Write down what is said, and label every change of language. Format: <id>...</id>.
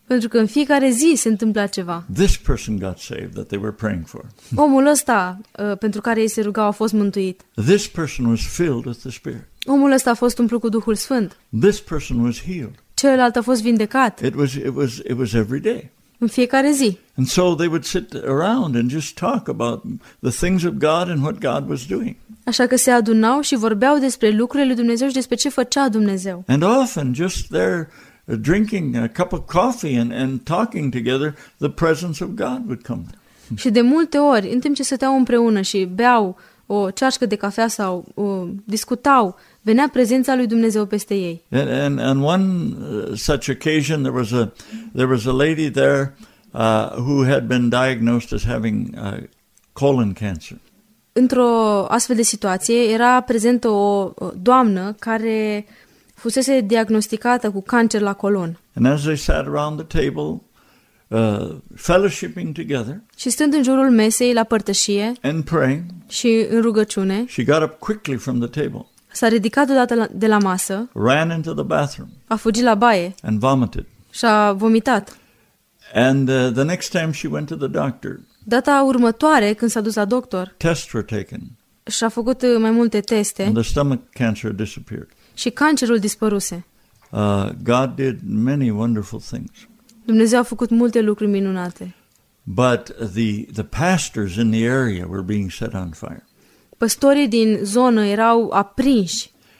<ro>Pentru că în fiecare zi se întâmpla ceva.</ro> <en>This person got saved that they were praying for.</en> <ro>Omul ăsta pentru care ei se rugau a fost mântuit.</ro> <en>This person was filled with the Spirit.</en> <ro>Omul ăsta a fost umplut cu Duhul Sfânt.</ro> <en>This person was healed.</en> <ro>Celălalt a fost vindecat.</ro> <en>It was every day.</en> <ro>În fiecare zi.</ro> <en>And so they would sit around and just talk about the things of God and what God was doing.</en> <ro>Așa că se adunau și vorbeau despre lucrurile lui Dumnezeu și despre ce făcea Dumnezeu.</ro> <en>And often just there drinking a cup of coffee and talking together, the presence of God would come.</en> <ro>Și de multe ori, în timp ce stăteau împreună și beau o ceașcă de cafea sau discutau, venea prezența lui Dumnezeu peste ei.</ro> <en>And one such occasion there was a lady there who had been diagnosed as having colon cancer.</en> <ro>Într-o astfel de situație, era prezentă o doamnă care fusese diagnosticată cu cancer la colon.</ro> <en>And as they sat around the table, fellowshipping together,</en> <ro>și stând în jurul mesei la părtășie,</ro> <en>and praying,</en> <ro>și în rugăciune,</ro> <en>she got up quickly from the table,</en> <ro>s-a ridicat odată de la masă,</ro> <en>ran into the bathroom,</en> <ro>a fugit la baie,</ro> <en>and vomited.</en> <ro>Și-a vomitat.</ro> <en>And the next time she went to the doctor,</en> <ro>data următoare, când s-a dus la doctor,</ro> <en>tests were taken,</en> <ro>și-a făcut mai multe teste,</ro> <en>and the stomach cancer disappeared.</en> <ro>Și cancerul dispăruse.</ro> <en>God did many wonderful things.</en> <ro>Dumnezeu a făcut multe lucruri minunate.</ro> <en>But the pastors in the area were being set on fire.</en> <ro>Păstorii din zonă erau aprinși.</ro>